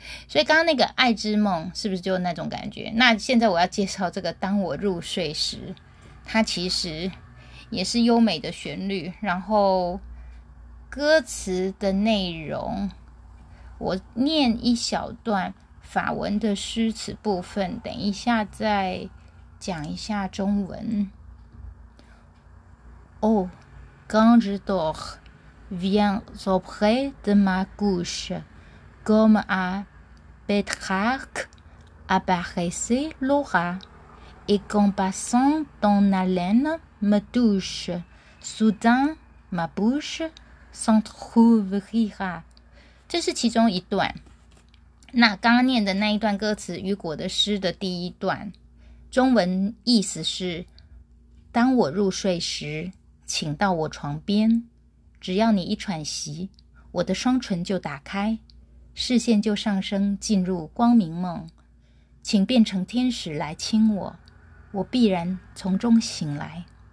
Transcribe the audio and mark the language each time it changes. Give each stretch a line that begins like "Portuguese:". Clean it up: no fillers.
Chinese: 所以刚刚那个爱之梦是不是就那种感觉？那现在我要介绍这个当我入睡时，它其实也是优美的旋律，然后歌词的内容我念一小段法文的诗词部分，等一下再讲一下中文。
French: Oh, quand je dors, viens auprès de ma couche, comme à Pétrarque apparaissait Laura, et qu'en passant ton haleine me touche, soudain ma bouche s'entr'ouvrira.
Chinese: 这是其中一段。那刚刚念的那一段歌词，雨果的诗的第一段，中文意思是：当我入睡时，请到我床边，只要你一喘息，我的双唇就打开，视线就上升进入光明梦，请变成天使来亲我，我必然从中醒来。